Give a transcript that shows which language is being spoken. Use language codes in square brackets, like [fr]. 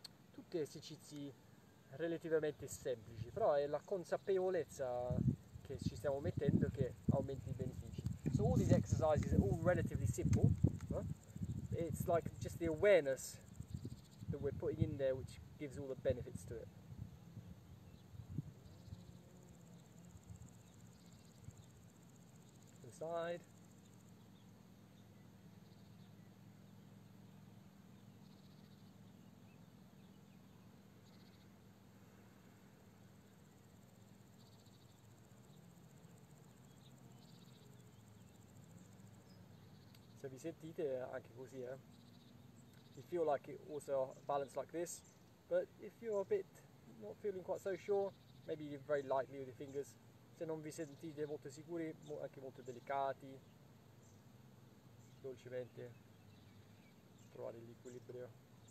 [it] Tutti esercizi relativamente semplici, però è la consapevolezza che ci stiamo mettendo che aumenta i benefici. [en] So all these exercises are all relatively simple, no? It's like just the awareness that we're putting in there which gives all the benefits to it. To the side. [it] Se vi sentite anche così, eh? [en] You feel like it also balanced like this, but if you're a bit not feeling quite so sure, maybe you're very lightly with your fingers. [it] Se non vi sentite molto sicuri, anche molto delicati, dolcemente, trovare l'equilibrio.